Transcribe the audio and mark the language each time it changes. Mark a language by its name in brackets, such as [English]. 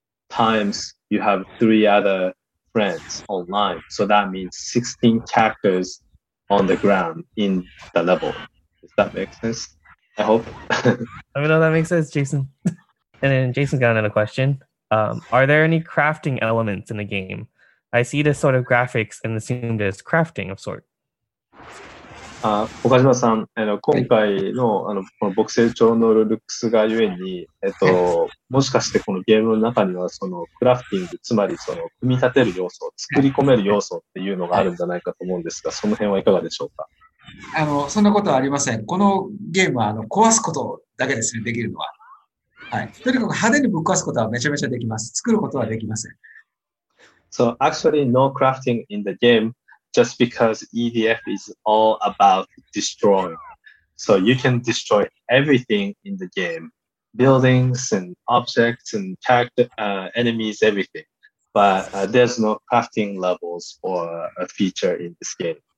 [English] Times you have three other friends online, so that means 16 characters on the ground in the level. Does that make sense? I hope. I mean, no, that makes sense, Jason. And then Jason got another question. Are there any crafting elements in the game? I see this sort of graphics and assumed as crafting of sort. [Japanese] Okajima-san, あの、このボクセル調のルックスが故に、もしかしてこのゲームの中にはそのクラフティング、つまりその組み立てる要素を作り込める要素っていうのがあるんじゃないかと思うんですが、その辺はいかがでしょうか? そんなことはありません。このゲームは壊すことだけですね、できるのは。はい、とにかく派手にぶっ壊すことはめちゃめちゃできます。作ることはできません。 [English] So actually no crafting in the game just because EDF is all about destroying. So you can destroy everything in the game. Buildings and objects and character, enemies, everything. But there's no crafting levels or a feature in this game.